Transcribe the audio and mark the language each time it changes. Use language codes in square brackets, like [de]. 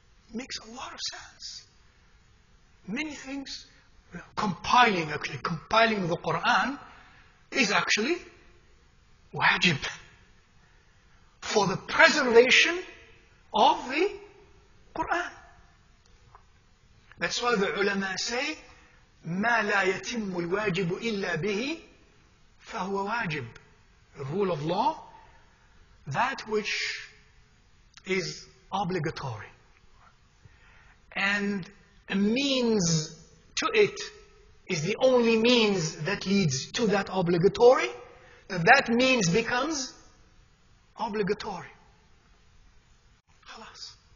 [en] It makes a lot of sense. Many things, compiling the Quran is actually wajib for the preservation of the Quran. That's why the ulama say, [ar] مَا لَا يَتِمُّ الْوَاجِبُ إِلَّا بِهِ فَهُوَ وَاجِبُ. [en] The rule of law, that which is obligatory and a means to it is the only means that leads to that obligatory, that means becomes obligatory. Khalas.